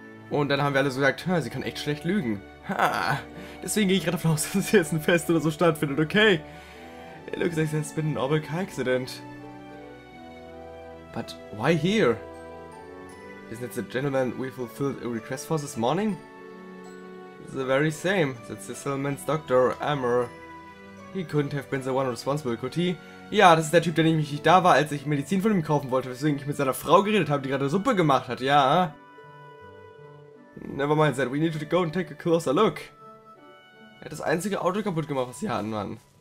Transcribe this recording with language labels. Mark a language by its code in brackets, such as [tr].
[de] Und dann haben wir alle so gesagt, sie kann echt schlecht lügen. Deswegen gehe ich gerade davon aus, dass jetzt ein Fest oder so stattfindet, okay? [en] It looks like there's been an awful car accident. But why here? Isn't it the gentleman we fulfilled a request for this morning? The very same. That's the settlement's doctor, Amor. He couldn't have been the one responsible, could he? [de] Ja, das ist der Typ, der nämlich nicht da war, als ich Medizin von ihm kaufen wollte, weswegen ich mit seiner Frau geredet habe, die gerade Suppe gemacht hat, ja. [en] Never mind that. We need to go and take a closer look. [de] Er hat das einzige Auto kaputt gemacht, was sie hatten, Mann.